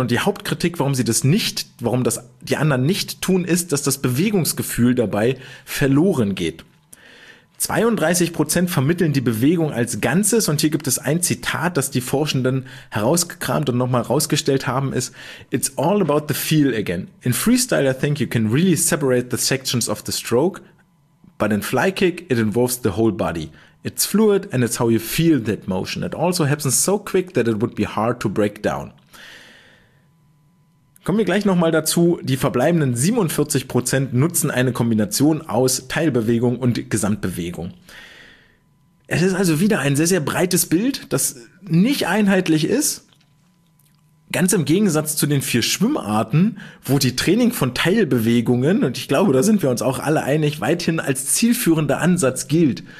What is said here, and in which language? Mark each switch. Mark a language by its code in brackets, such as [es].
[de] Und die Hauptkritik, warum das die anderen nicht tun, ist, dass das Bewegungsgefühl dabei verloren geht. 32% vermitteln die Bewegung als Ganzes, und hier gibt es ein Zitat, das die Forschenden herausgekramt und nochmal rausgestellt haben, ist: [en] It's all about the feel again. In freestyle, I think you can really separate the sections of the stroke, but in fly kick, it involves the whole body. It's fluid and it's how you feel that motion. It also happens so quick that it would be hard to break down. [de] Kommen wir gleich nochmal dazu, die verbleibenden 47% nutzen eine Kombination aus Teilbewegung und Gesamtbewegung. Es ist also wieder ein sehr, sehr breites Bild, das nicht einheitlich ist. Ganz im Gegensatz zu den vier Schwimmarten, wo die Training von Teilbewegungen, und ich glaube, da sind wir uns auch alle einig, weithin als zielführender Ansatz gilt.